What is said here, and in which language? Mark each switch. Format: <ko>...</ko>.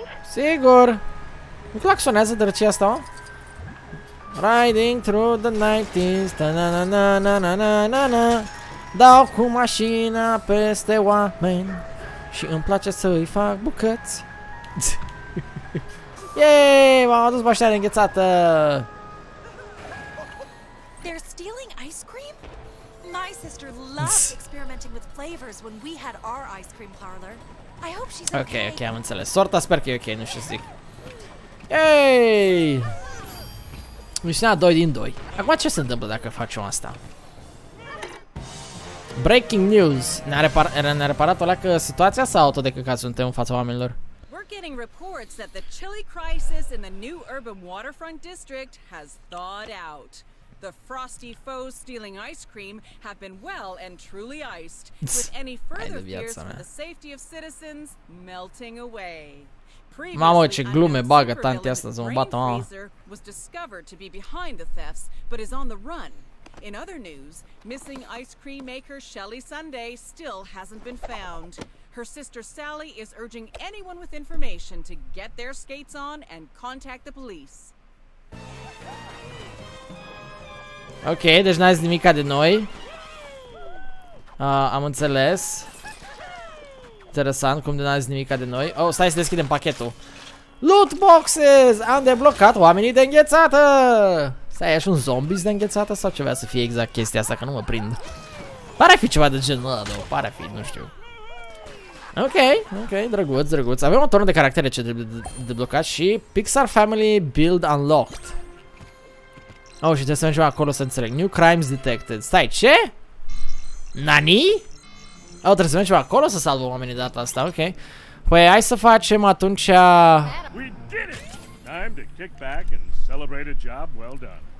<ro>Sigur! Nu claxonează drăcia asta, o?</ro> <en>Riding through the 90s,</en> <ro>ta-na-na-na-na-na-na-na. Dau cu mașina peste oameni și îmi place să-i fac bucăți. Yay! M-am adus mașina de înghețată!</ro> <en>They're stealing ice cream? My sister loved experimenting with flavors when we had our ice cream parlor. I hope she's okay.</en> <ro>Ok, ok, am înțeles. Sorta sper că e ok, nu știu ce zic. Yay! Misiunea 2 din 2. Acum ce se întâmplă dacă facem asta?</ro> <en>Breaking news!</en> <ro>Ne-a reparat ăla că situația sau tot de căcat suntem în fața oamenilor?</ro> <en>We're getting reports that the chili crisis in the new urban waterfront district has thawed out. The frosty foes stealing ice cream have been well and truly iced, with any further fears for the safety of citizens melting away.</en> <ro>Mamă, ce glume bagă tantea asta, să mă bată, mamă.</ro> <en>Was discovered to be behind the thefts, but is on the run. In other news, missing ice cream maker Shelly Sunday still hasn't been found. Her sister Sally is urging anyone with information to get their skates on and contact the police.</en> <ro>Ok, deci n-ai zis nimica de noi. Am înțeles. Interesant, cum de n-ai zis nimica de noi. Oh, stai să deschidem pachetul.</ro> <en>Loot boxes!</en> <ro>Am deblocat oamenii de înghețată! Stai, ești un zombies de înghețată sau ce vrea să fie exact chestia asta, că nu mă prind. Pare a fi ceva de genul ăla, două. Pare a fi, nu știu. Ok, ok, drăguț, drăguț. Avem un turn de caractere ce trebuie deblocat și Pixar</ro> <en>Family Build Unlocked.</en> <ro>Oh, și trebuie să mergem acolo să înțeleg.</ro> <en>New crimes detected.</en> <ro>Stai, ce? Nani? Oh, trebuie să mergem acolo să salvăm oamenii data asta, ok. Păi, hai să facem atunci...</ro> <en>We did it! Time to kick back and celebrate a job well done.</en>